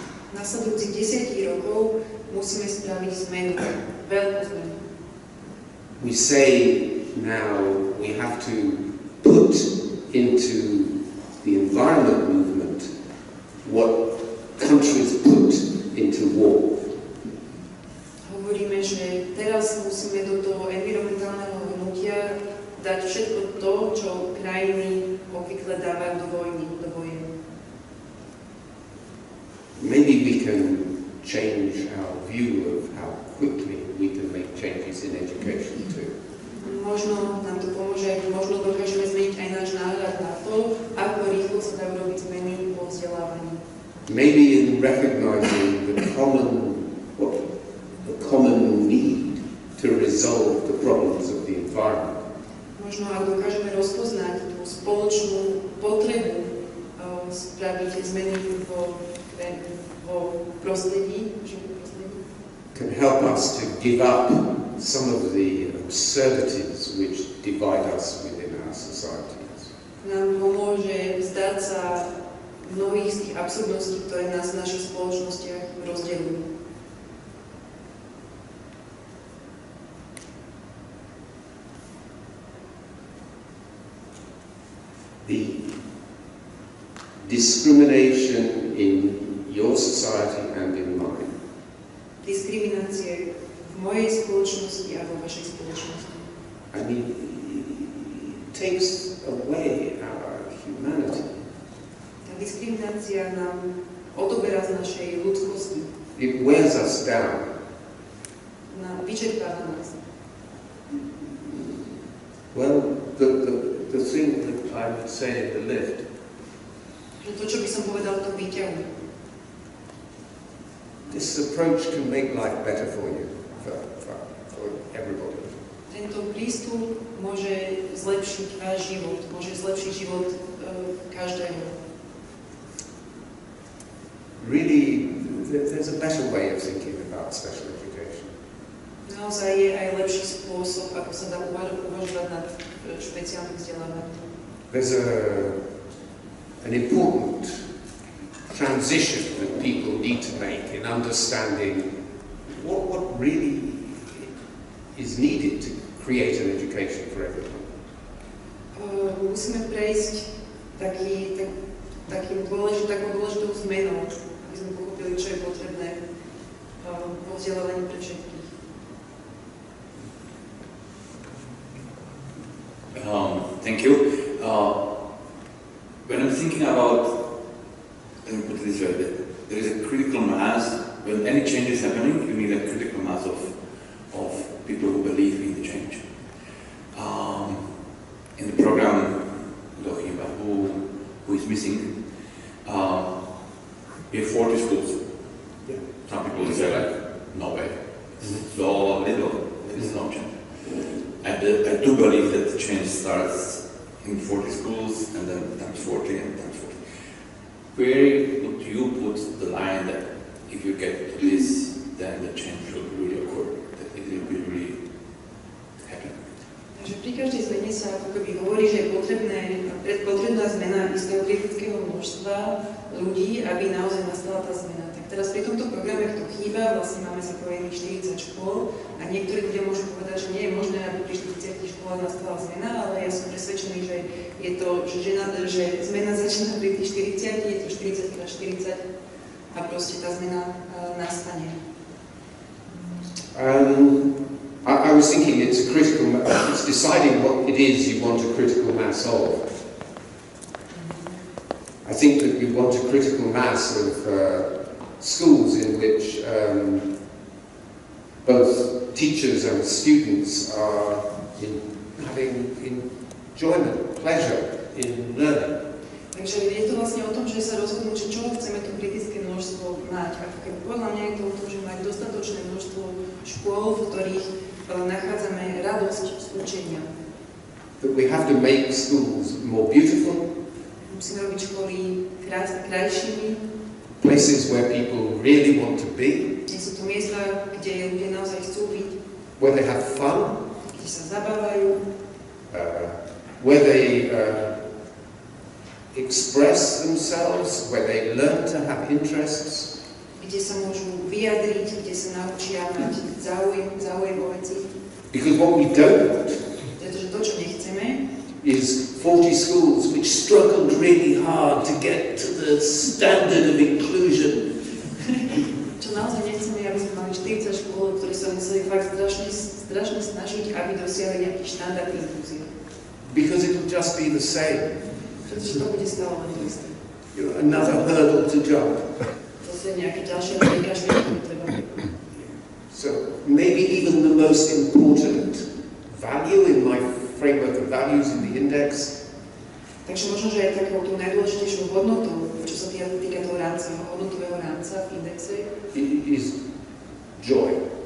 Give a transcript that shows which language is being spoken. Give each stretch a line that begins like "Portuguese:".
Slovak: Na sledujúcich 10 rokov musíme spraviť zmenu, veľkú zmenu.
English: We say now we have to put into the environment movement what countries put into war.
Slovak: Hovoríme, že teraz musíme do toho environmentálneho hnutia dať všetko to, čo krajiny obvykle dávajú do vojny, do vojen.
English: Maybe we can change our view of how quickly we can make changes in education too.
Slovak: Možno nám to pomôže, možno dokážeme zmeniť aj náš náhľad na to, ako rýchlo sa dajú robiť zmeny vo vzdelávaní.
English: Maybe in recognizing the common, what, the common need to resolve the problems of the environment.
Slovak: Možno ak dokážeme rozpoznať tú spoločnú potrebu spraviť zmeny vo prostredí.
English: Can help us to give up some of the absurdities which divide us within our societies.
Slovak: Nám pomôže vzdať sa mnohých z tých absurdností, ktoré nás v našich spoločnostiach rozdeľujú.
English: The discrimination in your society and in mine.
Slovak: Diskriminácie v mojej spoločnosti a vo vašej spoločnosti.
English: I mean, it takes away our humanity.
Slovak: Tá diskriminácia nám odoberá z našej ľudskosti.
English: It wears us down.
Slovak: Nám vyčerpáva nás.
English: Well, the thing that I would say in the lift.
Slovak: To, čo by som povedal, to výťahu.
English: This approach can make life better for you, for everybody.
Slovak: Tento prístup môže zlepšiť váš život, môže zlepšiť život každému.
English: Really, there's a better way of thinking about special education.
Slovak: Naozaj je aj lepší spôsob, ako sa dá uvažovať nad špeciálnym vzdelávaním.
English: There's an important transition that people need to make in understanding what really is needed to create an education for everyone.
Slovak: Musíme prejsť takou dôležitou zmenou, aby sme pochopili, čo je potrebné vo vzdelávaní pre všetkých.
English: Thank you. When I'm thinking about, let me put it this way, that there is a critical mass, when any change is happening, you need a critical mass of people who believe in the change. In the program, talking about who is missing, we have 40 schools. Yeah. Some people say, like, no way. It's all a little, it's an option. I do believe that the change starts in 40 schools, and then times 40, and times 40. Where would you put the line that if you get to this, then the change will really occur, that it will be really happen?
Slovak: Takže pri každej zmene sa akoby hovorí, že je potrebná zmena istého kritického množstva ľudí, aby naozaj nastala tá zmena. Tak teraz pri tomto programe, kto chýba, vlastne máme zapojených 40 škôl a niektorí ľudia môžu povedať, že nie je možné, aby pri 40 školách nastala zmena, ale ja som presvedčený, že je to, že zmena začína pri tých 40, je to 40 na 40 a proste tá zmena nastane.
English: I was thinking it's a critical mass, it's deciding what it is you want a critical mass of. I think that you want a critical mass of schools in which both teachers and students are having enjoyment, pleasure in learning.
Slovak: Takže je to vlastne o tom, že sa rozhodnú, či čo chceme to kritické množstvo mať. A keď podľa mňa je to o tom, že mať dostatočné množstvo škôl, v ktorých nachádzame radosť z učenia.
English: That we have to make schools more beautiful.
Slovak: Musíme robiť školy krajšími.
English: Places where people really want to be.
Slovak: Kde sú to miesta, kde ľudia naozaj chcú byť.
English: Where they have fun.
Slovak: Kde sa zabávajú.
English: Where they express themselves, where they learn to have interests.
Slovak: Kde sa môžu vyjadriť, kde sa naučia mať záujem o veci.
English: Because what we don't want,
Slovak: pretože to, čo nechceme,
English: is 40 schools which struggled really hard to get to the standard of inclusion.
Slovak: Čo naozaj nechceme, aby sme mali 40 škôl, ktoré sa museli fakt strašne, strašne snažiť, aby dosiahli nejaký štandard inklúzie.
English: Because it will just be the same.
Slovak: Pretože to bude stále len to isté.
English: Another hurdle to jump.
Slovak: To sú nejaké ďalšie prekážky, ktoré treba.
English: So maybe even the most important value in my framework of values in the index.
Slovak: Takže možno, že je takou tú najdôležitejšou hodnotou, čo sa týka toho rámca, hodnotového rámca v indexe.
English: It is joy.